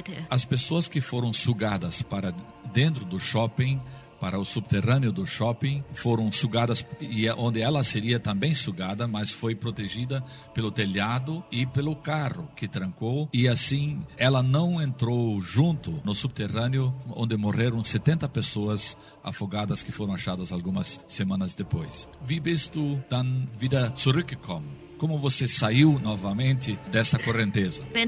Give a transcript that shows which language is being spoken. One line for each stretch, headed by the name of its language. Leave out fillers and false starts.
Portuguese: As pessoas que foram sugadas para dentro do shopping, para o subterrâneo do shopping, foram sugadas, e onde ela seria também sugada, mas foi protegida pelo telhado e pelo carro que trancou, e assim ela não entrou junto no subterrâneo, onde morreram 70 pessoas afogadas que foram achadas algumas semanas depois.
German: Wie bist du dann wieder zurückgekommen?
Portuguese: Como você saiu novamente dessa correnteza?